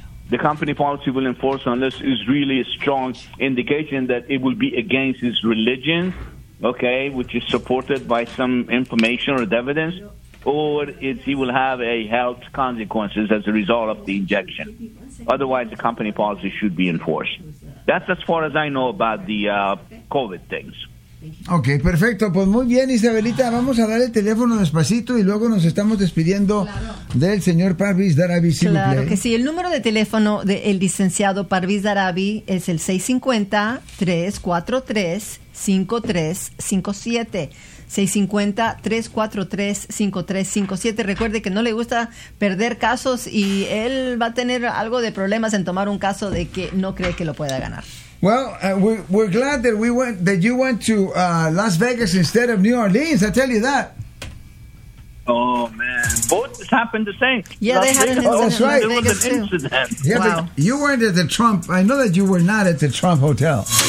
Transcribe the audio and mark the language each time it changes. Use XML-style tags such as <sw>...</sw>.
<en>The company policy will enforce on this is really a strong indication that it will be against his religion, okay, which is supported by some information or evidence. Or he will have a health consequences as a result of the injection. Otherwise, the company policy should be enforced. That's as far as I know about the COVID things.</en> <es>Okay, perfecto. Pues muy bien, Isabelita. Vamos a dar el teléfono despacito y luego nos estamos despidiendo del señor Parviz Darabi. Si claro que sí. El número de teléfono del licenciado Parviz Darabi es el 650-343-5357. 650-343-5357. Recuerde que no le gusta perder casos y él va a tener algo de problemas en tomar un caso de que no cree que lo pueda ganar.</es> <en>Well, we're glad that you went to Las Vegas instead of New Orleans. I tell you that. Oh man, both happened the same. Yeah, they had an incident. Oh, that's right. It was an incident. Yeah, wow. But you weren't at the Trump. I know that you were not at the Trump Hotel.</en>